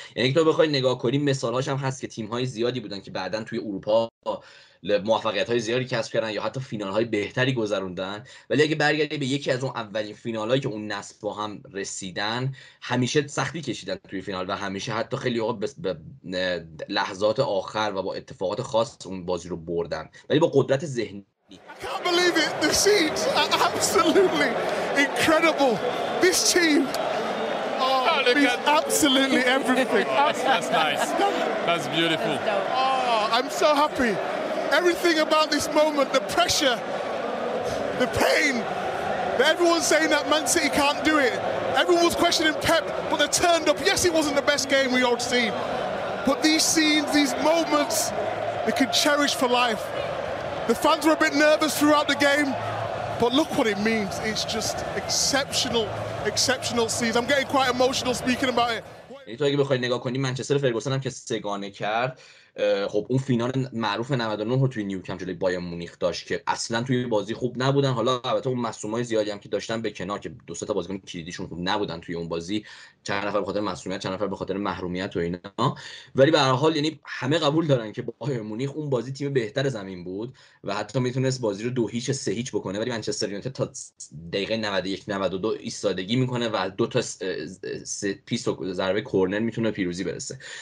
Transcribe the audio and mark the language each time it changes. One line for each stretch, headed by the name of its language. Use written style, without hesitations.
Persian: یعنی اگه تو بخوای نگاه کنی مثالاش هم هست که تیم‌های زیادی بودن که بعداً توی اروپا موفقیت‌های زیادی کسب کردن یا حتی فینال‌های بهتری گذروندن، ولی اگه برگردی به یکی از اون اولین فینال‌هایی که اون نسل با هم رسیدن، همیشه سختی کشیدن توی فینال و همیشه حتی خیلی وقت به لحظات آخر و با اتفاقات خاص اون بازی رو بردن، ولی با قدرت ذهنی.
English: I can't believe it. The seats are absolutely incredible. This team is absolutely everything. That's nice. That's beautiful. Oh, I'm so happy. Everything about this moment, the pressure, the pain, everyone's saying that Man City can't do it. Everyone was questioning Pep, but they turned up. Yes, it wasn't the best game we all seen. But these scenes, these moments, they can cherish for life. The fans were a bit nervous throughout the game, but look what it means. It's just exceptional, exceptional scenes. I'm getting quite emotional speaking about it.
Persian: تو اگه بخوای نگاه کنی منچستر فرگوسن هم که سگانه کرد، خب اون فینال معروف 99 رو توی نیوکمپ جلوی بایر مونیخ داشت که اصلا توی بازی خوب نبودن، حالا البته اون مصدومای زیادی هم که داشتن به کنار که دو سه تا بازیکن کلیدیشون خوب نبودن توی اون بازی، چند نفر به خاطر مسئولیت، چند نفر به خاطر محرومیت و اینا، ولی به هر حال یعنی همه قبول دارن که بایر مونیخ اون بازی تیم بهتر زمین بود و حتی میتونست بازی رو 2-0 3-0 بکنه، ولی منچستر یونایتد تا دقیقه 91-92 ایستادگی میکنه و دو تا پیس و ضربه کورنر میتونه پیروزی برسه.